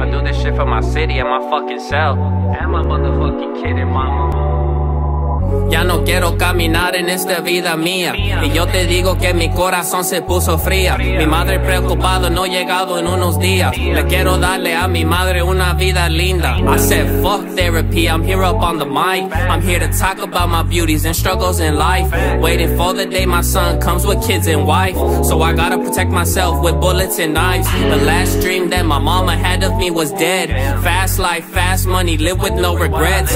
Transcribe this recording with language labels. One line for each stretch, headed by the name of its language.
English: I do this shit for my city and my fucking self. And my motherfucking kidding, mama.
Spanish: Ya no quiero caminar en esta vida mía. Y yo te digo que mi corazón se puso fría. Mi madre preocupado, no he llegado en unos días. Le quiero darle a mi madre una vida linda.
English: I said fuck therapy, I'm here up on the mic. I'm here to talk about my beauties and struggles in life. Waiting for the day my son comes with kids and wife. So I gotta protect myself with bullets and knives. The last dream that my mama had of me was dead. Fast life, fast money, live with no regrets.